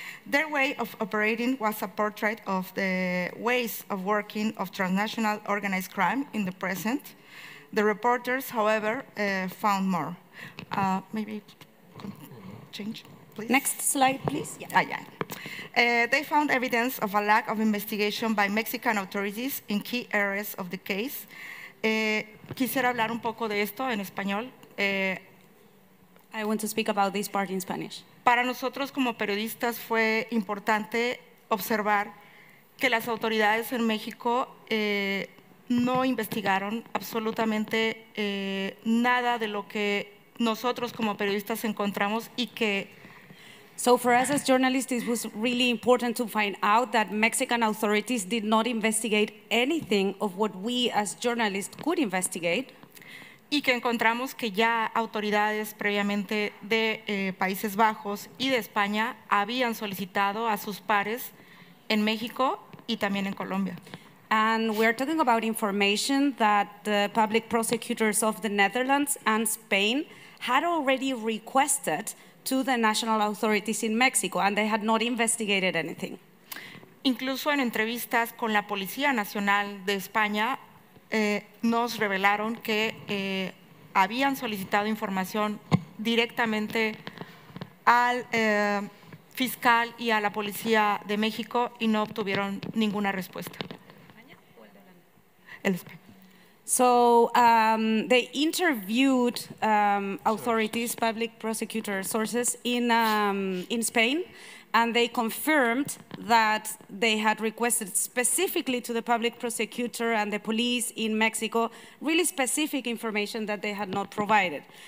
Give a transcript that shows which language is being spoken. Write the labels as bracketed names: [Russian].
[English] Their way of operating was a portrait of the ways of working of transnational organized crime in the present. The reporters, however, found more. Maybe change, please. Next slide, please. Yeah. They found evidence of a lack of investigation by Mexican authorities in key areas of the case. [Spanish] Quisiera hablar un poco de esto en español. [English] I want to speak about this part in Spanish. [Spanish] Para nosotros como periodistas fue importante observar que las autoridades en México no investigaron absolutamente nada de lo que nosotros como periodistas encontramos y que... [English] So for us as journalists, it was really important to find out that Mexican authorities did not investigate anything of what we as journalists could investigate. [Spanish] Y que encontramos que ya autoridades previamente de Países Bajos y de España habían solicitado a sus pares en México y también en Colombia. [English] And we're talking about information that the public prosecutors of the Netherlands and Spain had already requested to the national authorities in Mexico, and they had not investigated anything. [Spanish] Incluso en entrevistas con la Policía Nacional de España, nos revelaron que habían solicitado información directamente al fiscal y a la Policía de México y no obtuvieron ninguna respuesta. El español. [English] So they interviewed authorities, public prosecutor sources in Spain, and they confirmed that they had requested specifically to the public prosecutor and the police in Mexico really specific information that they had not provided.